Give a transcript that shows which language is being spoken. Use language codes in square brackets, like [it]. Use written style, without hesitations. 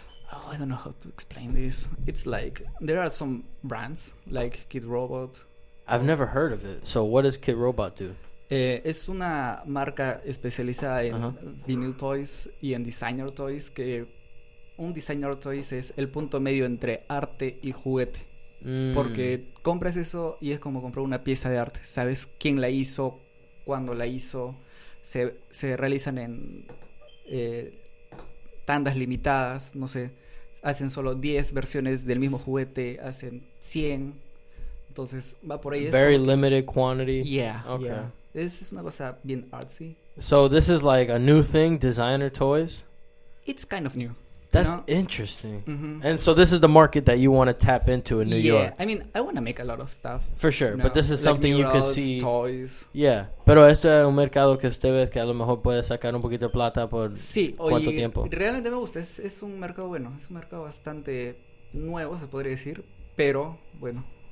[en] Oh, I don't know how to explain this. It's, like, there are some brands, like Kid Robot. I've never heard of it. So, what does Kid Robot do? [es] Es una marca especializada en vinyl toys y en designer toys. Que un designer toys es el punto medio entre arte y juguete. Porque compras eso y es como comprar una pieza de arte. Sabes quién la hizo, cuándo la hizo. Se realizan en tandas limitadas. No sé, hacen solo 10 versiones del mismo juguete. Hacen 100. Entonces va por ahí. [en] Very limited quantity. [es] Yeah. Okay. Yeah. Es una cosa bien artsy. [en] So this is like a new thing, designer toys. It's kind of new. That's interesting. And so this is the market that you want to tap into in New York. Yeah, I mean, I want to make a lot of stuff. For sure, you know? But this is something like murals, you can see. Toys. [es] Yeah, pero esto es un mercado que usted ve que a lo mejor puede sacar un poquito de plata por sí, cuánto tiempo. Sí, realmente me gusta. Es un mercado bueno. Es un mercado bastante nuevo, se podría decir, pero bueno.